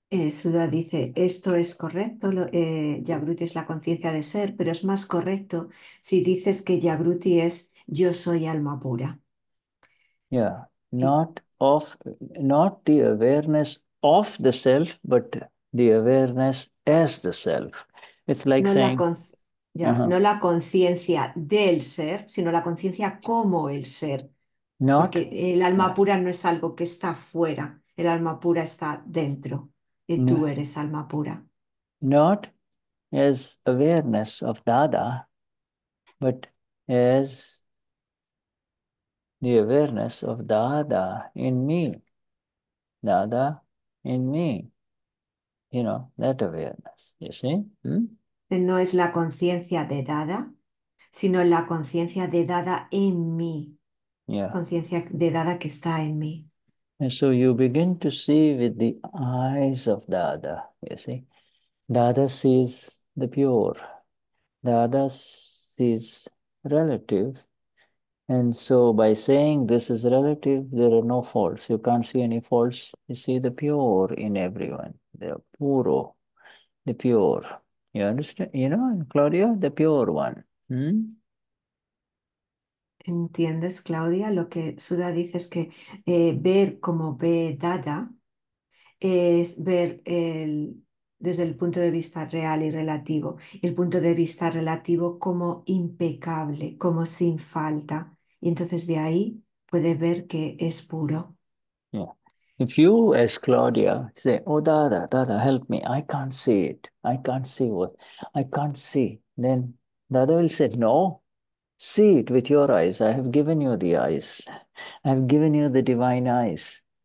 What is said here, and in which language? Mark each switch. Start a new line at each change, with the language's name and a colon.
Spanish: Suda dice, esto es correcto, Jagruti es la conciencia de ser, pero es más correcto si dices que Jagruti es yo soy alma pura.
English: Yeah, not the awareness of the self, but the awareness as the self. It's like saying,
Spanish: No la conciencia del ser, sino la conciencia como el ser,
English: not,
Spanish: porque el alma
English: yeah.
Spanish: pura no es algo que está fuera, el alma pura está dentro. Y tú
English: No,
Spanish: eres alma pura.
English: not as awareness of Dada, but as the awareness of Dada in me. Dada in me. That awareness. You see?
Spanish: No es la conciencia de Dada, sino la conciencia de Dada en mí. Conciencia de Dada que está en mí.
English: And so you begin to see with the eyes of Dada. You see? Dada sees the pure. Dada sees relative. And so by saying this is relative, there are no faults. You can't see any faults. You see the pure in everyone. They are
Spanish: puro.
English: The pure. You understand? You know, Claudia, the pure one.
Spanish: ¿Entiendes, Claudia? Lo que Suda dice es que ver como ve Dada es ver desde el punto de vista real y relativo, y el punto de vista relativo como impecable, como sin falta. Y entonces de ahí puede ver que es puro.
English: If you, as Claudia, say, "Oh, Dada, Dada, help me! I can't see it. I can't see what. I can't see," then Dada will say, "No, see it with your eyes. I have given you the eyes. I have given you the divine eyes.